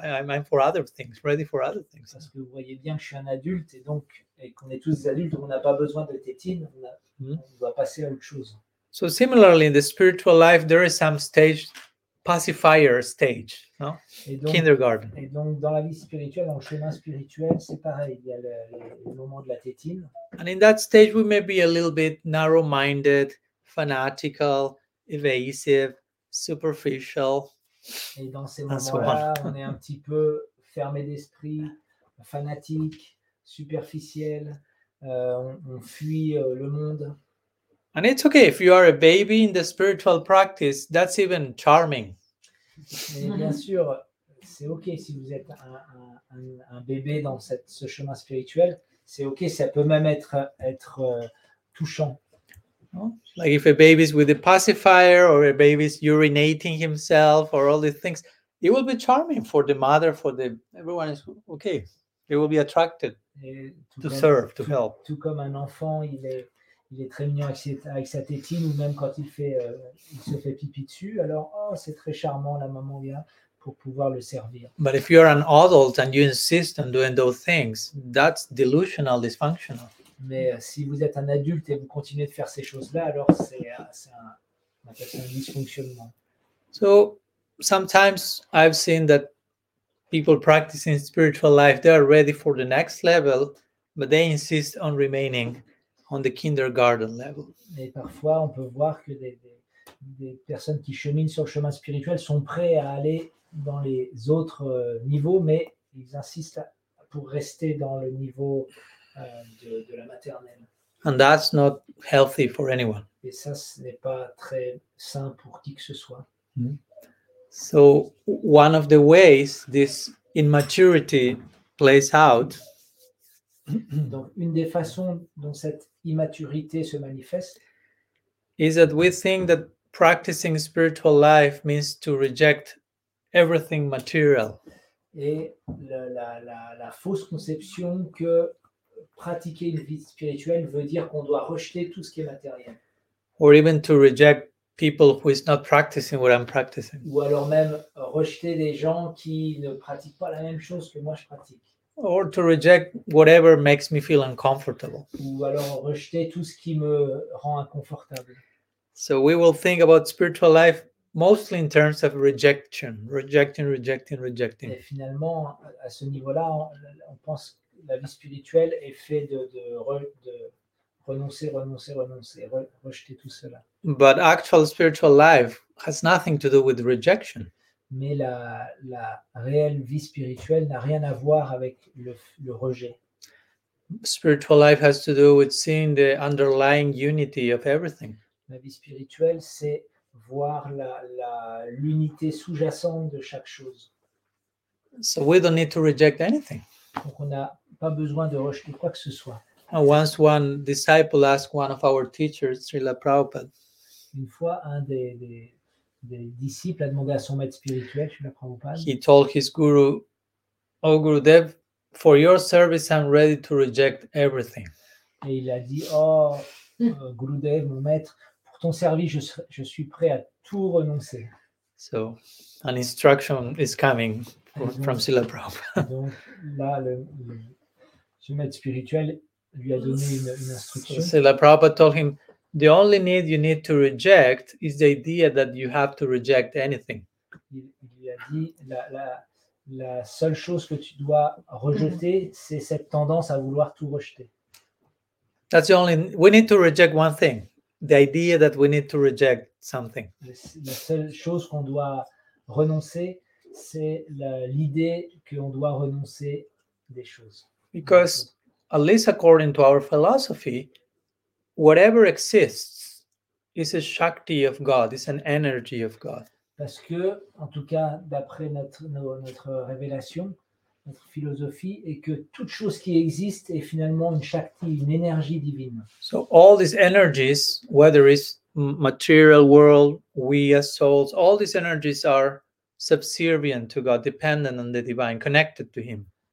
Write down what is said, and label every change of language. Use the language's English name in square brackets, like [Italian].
[English] I'm for other things, ready for other things. [French] Parce que vous voyez bien que je suis un adulte et donc et qu'on est tous adultes, on n'a pas besoin de tétine. On doit passer à autre chose. [English] So similarly, in the spiritual life, there is some stage, pacifier stage, no? [French] Et donc, [English] kindergarten. [French] Et donc dans la vie spirituelle, dans le chemin spirituel, c'est pareil. Il y a le moment de la tétine. [English] And in that stage, we may be a little bit narrow-minded, fanatical, evasive, superficial. [French] Et dans ces moments-là, on est un petit peu fermé d'esprit, fanatique, superficiel. On fuit le monde. [English] And it's okay if you are a baby in the spiritual practice, that's even charming. [French] Et bien sûr, c'est okay si vous êtes un bébé dans ce chemin spirituel, c'est okay, ça peut même être touchant. [English] Like if a baby is with a pacifier or a baby is urinating himself or all these things, it will be charming for the mother, for the everyone is okay. They will be attracted to [French] même, [English] serve, to help. [French] Tout comme un enfant, il est très mignon avec sa tétine ou même quand il se fait pipi dessus, alors oh c'est très charmant, la maman vient, pour pouvoir le servir. [English] But if you're an adult and you insist on doing those things, that's delusional, dysfunctional. [French] Mais si vous êtes un adulte et vous continuez de faire ces choses-là, alors c'est un dysfonctionnement. [English] So sometimes I've seen that people practicing spiritual life, they are ready for the next level, but they insist on remaining on the kindergarten level. [French] Et parfois, on peut voir que des personnes qui cheminent sur le chemin spirituel sont prêts à aller dans les autres niveaux, mais ils insistent pour rester dans le niveau de la maternelle. [English] And that's not healthy for anyone. [French] Et ça, ce n'est pas très sain pour qui que ce soit. Mm-hmm. [English] So one of the ways this immaturity plays out. [French] Donc une des façons dont cette immaturité se manifeste [English] is that we think that practicing spiritual life means to reject everything material. [French] Et la fausse conception que pratiquer une vie spirituelle veut dire qu'on doit rejeter tout ce qui est matériel. [English] Or even to reject people who is not practicing what I'm practicing. [French] Ou alors même rejeter des gens qui ne pratiquent pas la même chose que moi je pratique. [English] Or to reject whatever makes me feel uncomfortable. [French] Ou alors rejeter tout ce qui me rend inconfortable. [English] So we will think about spiritual life mostly in terms of rejection, rejecting, rejecting, rejecting. [French] Et finalement, à ce niveau-là, on pense que la vie spirituelle est faite de renoncer, renoncer, renoncer, rejeter tout cela. [English] But actual spiritual life has nothing to do with rejection. [French] Mais la réelle vie spirituelle n'a rien à voir avec le rejet. [English] Spiritual life has to do with seeing the underlying unity of everything. [French] La vie spirituelle, c'est voir l'unité sous-jacente de chaque chose. [English] So we don't need to reject anything. [French] Donc on n'a pas besoin de rejeter quoi que ce soit. [English] Once one disciple asked one of our teachers, Srila Prabhupada. [French] Une fois, un des disciples a demandé à son maître spirituel, Srila Prabhupada. [English] He told his guru, "Oh Gurudev, for your service, I'm ready to reject everything." [French] Et il a dit, "Oh Gurudev, mon maître, pour ton service, je suis prêt à tout renoncer." [English] So, an instruction is coming from Srila Prabhupada. [French] Donc là, le maître spirituel lui a donné une instruction. [English] Srila Prabhupada told him, "The only need you need to reject is the idea that you have to reject anything." [French] Il lui a dit, la seule chose que tu dois rejeter, c'est cette tendance à vouloir tout rejeter. [English] That's the only, we need to reject one thing, the idea that we need to reject something. [French] La seule chose qu'on doit renoncer, c'est l'idée qu'on doit renoncer des choses. [English] Because, at least according to our philosophy, whatever exists is a shakti of God, is an energy of God. [French] Parce que, en tout cas, d'après notre révélation, notre philosophie, est que toute chose qui existe est finalement une shakti, une énergie divine. [English] So all these energies, whether it's material world, we as souls, all these energies are subservient to God, dependent on the divine, connected to Him.